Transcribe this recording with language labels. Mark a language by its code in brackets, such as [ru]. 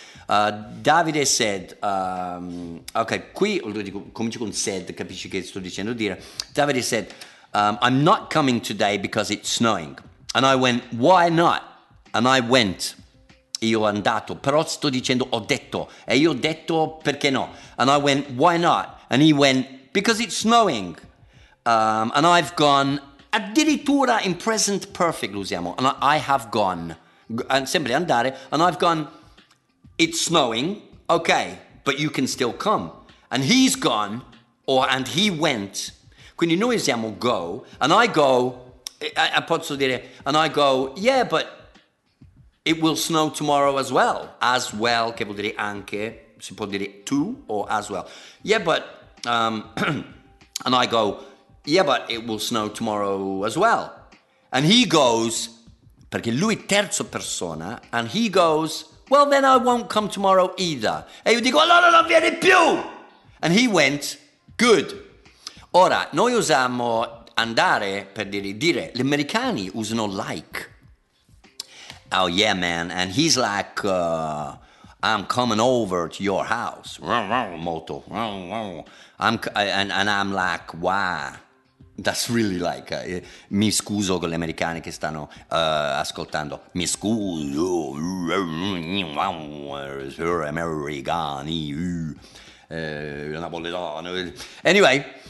[en] Davide said, [it] ok, qui comincio con said, capisci che sto dicendo dire. [en] Davide said, I'm not coming today because it's snowing. And I went, why not? And I went. [it] Io ho andato, però sto dicendo ho detto, e io ho detto perché no, [en] and I went, why not, and he went, because it's snowing, and I've gone, [it] addirittura in present perfect lo usiamo, [en] and I have gone, [it] sempre andare, [en] and I've gone, it's snowing, okay, but you can still come, and he's gone, or and he went, [it] quindi noi usiamo go, [en] and I go, I [it] posso dire, [en] and I go, yeah, but it will snow tomorrow as well. As well, [it] che vuol dire anche, si può dire tu or as well. [en] Yeah, but, and I go, yeah, but it will snow tomorrow as well. And he goes, [it] perché lui è terza persona, [en] and he goes, well, then I won't come tomorrow either. [it] E io dico, allora non viene più! [en] And he went, good. [it] Ora, noi usiamo andare per dire, gli americani usano like. [en] Oh, yeah, man. And he's like, I'm coming over to your house. Moto. And I'm like, wow. That's really like, [it] mi scuso con gli americani che stanno ascoltando. Mi scuso. Americani. Napoletano. Anyway.